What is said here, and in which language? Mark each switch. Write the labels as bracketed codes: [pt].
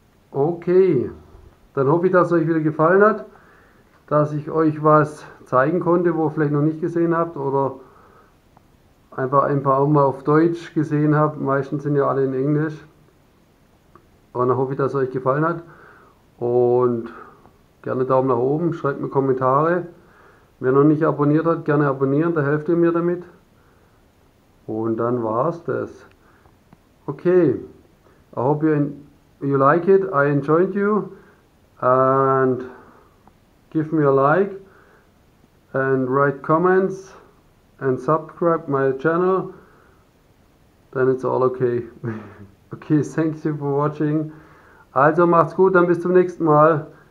[de] Okay, dann hoffe ich, dass es euch wieder gefallen hat. Dass ich euch was zeigen konnte, wo ihr vielleicht noch nicht gesehen habt oder einfach ein paar auch mal auf Deutsch gesehen habt. Meistens sind ja alle in Englisch. Und dann hoffe ich, dass es euch gefallen hat. Und gerne Daumen nach oben, schreibt mir Kommentare. Wer noch nicht abonniert hat, gerne abonnieren, da helft ihr mir damit. Und dann war's das. [en] Okay, I hope you like it, I enjoyed you. And give me a like and write comments and subscribe my channel, then it's all okay. Okay, thank you for watching. [de] Also macht's gut, dann bis zum nächsten Mal.